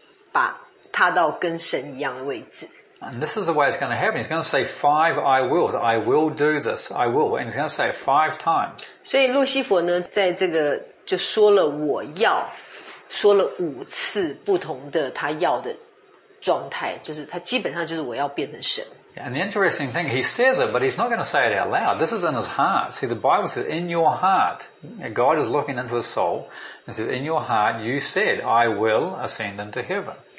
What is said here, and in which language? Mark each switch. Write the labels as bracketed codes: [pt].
[zh] 所以呢，路西佛呢，他已经是在所有神创造的万物中的最高阶层了，但他还是觉得不够，他最后就想要踏，把踏到跟神一样的位置。 [en] And this is the way it's going to happen. He's going to say five I wills. I will do this. I will. And he's going to say it five times. [zh] 所以路西佛呢，在这个就说了我要，说了五次不同的他要的状态，就是他基本上就是我要变成神。 [en] And the interesting thing, he says it, but he's not going to say it out loud. This is in his heart. See, the Bible says, in your heart, God is looking into his soul and says, in your heart, you said, I will ascend into heaven.